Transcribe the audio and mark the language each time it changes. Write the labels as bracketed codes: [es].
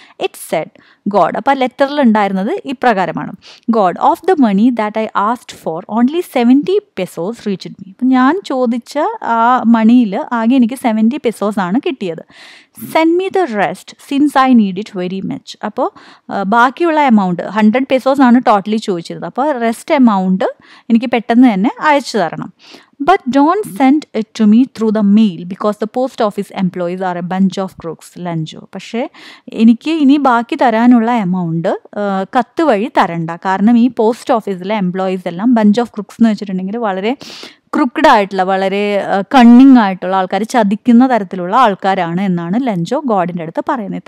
[en] it said God, [ml] അപ്പോൾ ആ ലെറ്ററിൽ ഉണ്ടായിരുന്നത് ഇപ്രകാരമാണ്, [en] God of the money that I asked for only 70 pesos reached me. [ml] അപ്പം ഞാൻ ചോദിച്ച ആ മണിയിൽ ആകെ എനിക്ക് 70 pesos ആണ് കിട്ടിയത്. [en] Send me the rest since I need it very much. [ml] അപ്പോൾ ബാക്കിയുള്ള എമൗണ്ട് 100 pesos ആണ് ടോട്ടലി ചോദിച്ചിരുന്നത്. അപ്പോൾ റെസ്റ്റ് എമൗണ്ട് എനിക്ക് പെട്ടെന്ന് തന്നെ അയച്ചു തരണം. [en] But don't send it to me through the mail because the post office employees are a bunch of crooks, Lencho. [ml] പക്ഷെ എനിക്ക് ഇനി ബാക്കി തരാനുള്ള എമൗണ്ട് കത്ത് വഴി തരണ്ട, കാരണം ഈ പോസ്റ്റ് ഓഫീസിലെ എംപ്ലോയീസ് എല്ലാം [en] bunch of crooks [ml] എന്ന് വെച്ചിട്ടുണ്ടെങ്കിൽ വളരെ ക്രൂക്ഡ് ആയിട്ടുള്ള, വളരെ കണ്ണിങ് ആയിട്ടുള്ള ആൾക്കാർ, ചതിക്കുന്ന തരത്തിലുള്ള ആൾക്കാരാണ് എന്നാണ് ലെഞ്ചോ ഗോഡിൻ്റെ അടുത്ത് പറയുന്നത്.